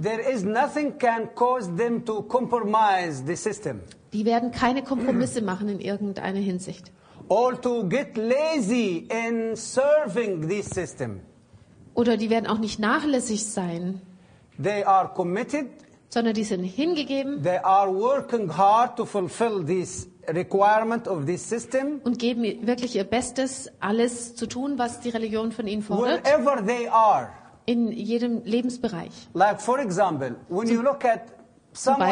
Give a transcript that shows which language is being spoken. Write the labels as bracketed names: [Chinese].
[English] there is nothing can cause them to compromise the system. [German] Die werden keine Kompromisse machen in irgendeiner Hinsicht. [English] Or to get lazy in serving this system. [German] Oder die werden auch nicht nachlässig sein. [English] They are committed, [German] sondern die sind hingegeben. [English] They are working hard to fulfill this requirement of this system. [German] Und geben wirklich ihr Bestes, alles zu tun, was die Religion von ihnen fordert. [English] Wherever they are. [German] In jedem Lebensbereich. [English] Like for example, when you look at someone